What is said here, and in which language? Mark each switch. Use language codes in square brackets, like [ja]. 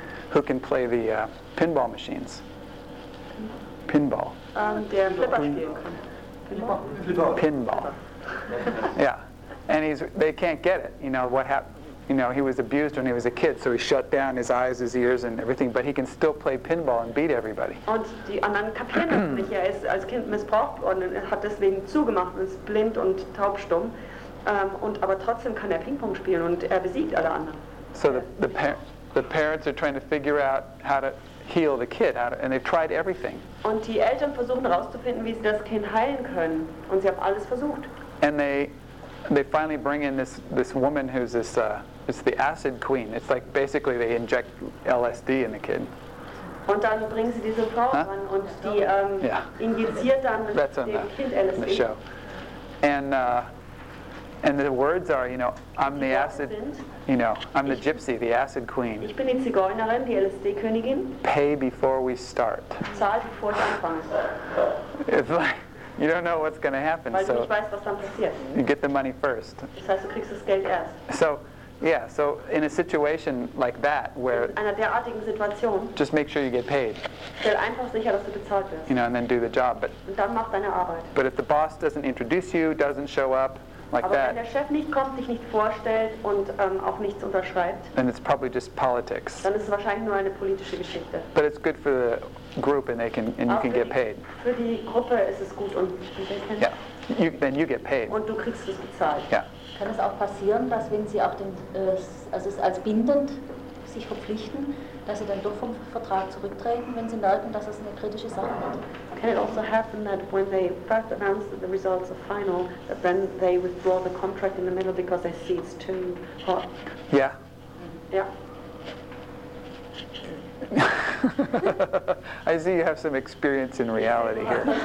[en] Who can play the pinball machines. Pinball. [de] Der Flipper spielen kann. [en] Pinball. Pinball. Yeah. And they can't get it. You know, what happened? You know, he was abused when he was a kid, so he shut down his eyes, his ears, and everything. But he can still play pinball and beat everybody. [de] Und die anderen kapieren das nicht. Er ist als Kind missbraucht und hat deswegen zugemacht und ist blind und taubstumm. Und aber trotzdem kann er Pingpong spielen und er besiegt alle anderen. [en] So the parents are trying to figure out how to heal the kid, and they've tried everything. [de] Und die Eltern versuchen herauszufinden, wie sie das Kind heilen können, und sie haben alles versucht. [en] And they finally bring in this woman who's this it's the acid queen. It's like basically they inject LSD in the kid. [de] Und dann bringen sie diese Frau an und die injiziert dann [en] that's [de] dem [en] the, [de] Kind LSD. [en] In the show. And the words are, you know, I'm the acid, you know, I'm the gypsy, the acid queen. [de] Ich bin die Zigeunerin, die LSD Königin. [en] Pay before we start. [de] Zahl bevor ich anfange. [en] It's like you don't know what's going to happen, [de] weil [en] so [de] du nicht weißt, was dann passiert. [en] You get the money first. [de] Das heißt, du kriegst das Geld erst. [en] So, yeah, so in a situation like that, where [de] in einer derartigen Situation, [en] just make sure you get paid. [de] Stell einfach sicher, dass du bezahlt wirst. [en] You know, and then do the job. But, [de] und dann mach deine Arbeit. [en] But if the boss doesn't introduce you, doesn't show up, like [de] aber [en] that, [de] aber wenn der Chef nicht kommt, dich nicht vorstellt und auch nichts unterschreibt, [en] then it's probably just politics. [de] Dann ist es wahrscheinlich nur eine politische Geschichte. [en] But it's good for the group and they can and you can get paid. [de] Für die Gruppe ist es gut und [en] yeah. Then you get paid. [de] Und du kriegst es bezahlt. [en] Yeah. [de] Kann es auch passieren, dass wenn sie auch den also es als bindend sich verpflichten, dass sie dann doch vom Vertrag zurücktreten, wenn sie merken, dass es eine kritische Sache wird? [en] Can it also happen that when they first announce that the results are final, that then they withdraw the contract in the middle because they see it's too hot? Yeah. Yeah. I see you have some experience in reality here.